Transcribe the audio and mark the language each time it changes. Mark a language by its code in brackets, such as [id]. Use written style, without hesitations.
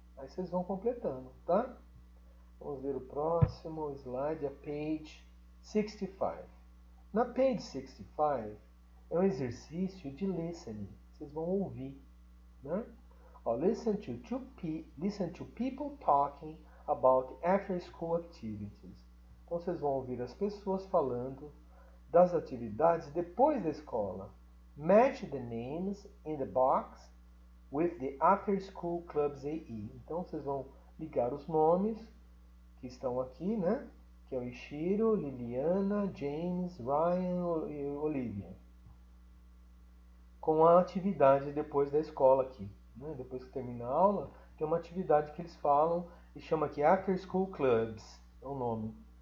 [pt] Aí vocês vão completando, tá? Vamos ver o próximo slide, a page 65. Na page 65 é um exercício de listening. Vocês vão ouvir, né? [en] Oh, listen to people talking about after school activities. [pt] Então vocês vão ouvir as pessoas falando das atividades depois da escola. [en] Match the names in the box with the after school clubs AE. [pt] Então vocês vão ligar os nomes que estão aqui, né? Que é o Ishiro, Liliana, James, Ryan e Olivia. Com a atividade depois da escola aqui, né? Depois que termina a aula, tem uma atividade que eles falam e chama aqui After School Clubs, é o nome.